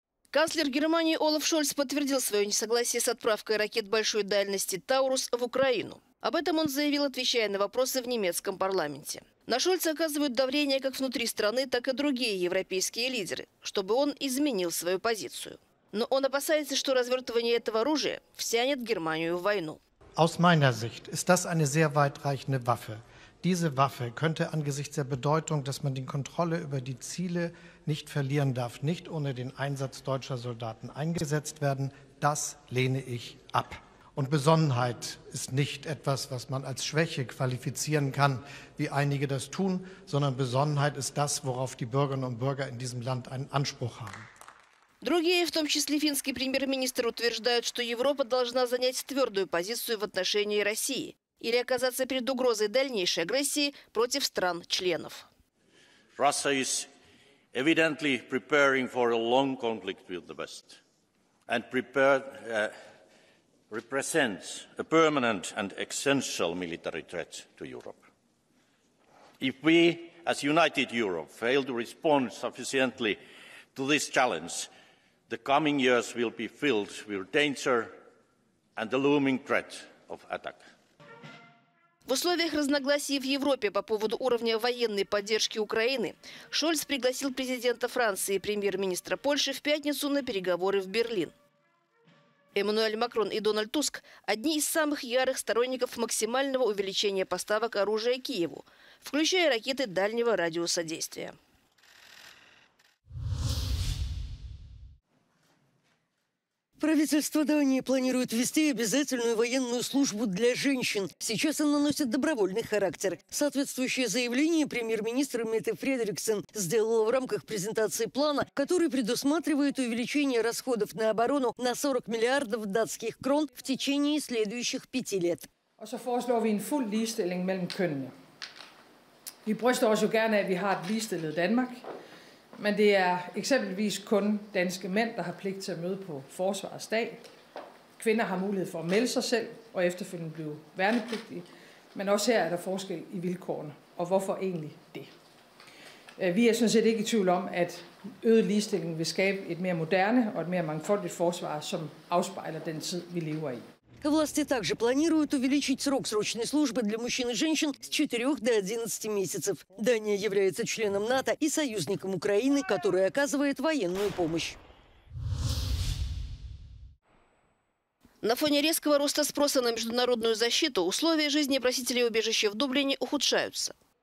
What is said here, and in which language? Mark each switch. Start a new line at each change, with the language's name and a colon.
Russian: Канцлер Германии Олаф Шольц подтвердил свое несогласие с отправкой ракет большой дальности «Таурус» в Украину. Об этом он заявил, отвечая на вопросы в немецком парламенте. На Шольца оказывают давление как внутри страны, так и другие европейские лидеры, чтобы он изменил свою позицию. Но он опасается, что развертывание этого оружия втянет Германию в войну.
German: Aus meiner Sicht ist das eine sehr weitreichende Waffe. Diese Waffe könnte angesichts der Bedeutung, dass man die Kontrolle über die Ziele nicht verlieren darf, nicht ohne den Einsatz deutscher Soldaten eingesetzt werden. Das lehne ich ab. Und Besonnenheit ist nicht etwas, was man als Schwäche qualifizieren kann, wie einige das tun, sondern Besonnenheit ist das, worauf die Bürgerinnen und Bürger in diesem Land einen Anspruch haben.
Russian: Другие, в том числе финский премьер-министр, утверждают, что Европа должна занять твердую позицию в отношении России или оказаться перед угрозой дальнейшей агрессии против стран-членов.
English: Russia is evidently preparing for a long conflict with the West and represents a permanent and essential military threat to Europe. If we, as united Europe, fail to respond sufficiently to this challenge, the coming years will be filled with danger and the looming threat of attack.
Russian: В условиях разногласий в Европе по поводу уровня военной поддержки Украины Шольц пригласил президента Франции и премьер-министра Польши в пятницу на переговоры в Берлин. Эммануэль Макрон и Дональд Туск – одни из самых ярых сторонников максимального увеличения поставок оружия Киеву, включая ракеты дальнего радиуса действия. Правительство Дании планирует ввести обязательную военную службу для женщин. Сейчас она носит добровольный характер. Соответствующее заявление премьер-министр Мэтт Фредериксен сделала в рамках презентации плана, который предусматривает увеличение расходов на оборону на 40 миллиардов датских крон в течение следующих 5 лет.
Danish: Og så foreslår vi en fuld ligestilling mellem kønnene. Vi bryster os jo gerne, at vi har et ligestillet Danmark. Men det er eksempelvis kun danske mænd, der har pligt til at møde på Forsvarets dag. Kvinder har mulighed for at melde sig selv og efterfølgende blive værnepligtige. Men også her er der forskel i vilkårene. Og hvorfor egentlig det? Vi er sådan set ikke i tvivl om, at øget ligestilling vil skabe et mere moderne og et mere mangfoldigt forsvar, som afspejler den tid, vi lever i.
Russian: Власти также планируют увеличить срок срочной службы для мужчин и женщин с 4 до 11 месяцев. Дания является членом НАТО и союзником Украины, который оказывает военную помощь. На фоне резкого роста спроса на международную защиту условия жизни просителей убежища в Дублине ухудшаются.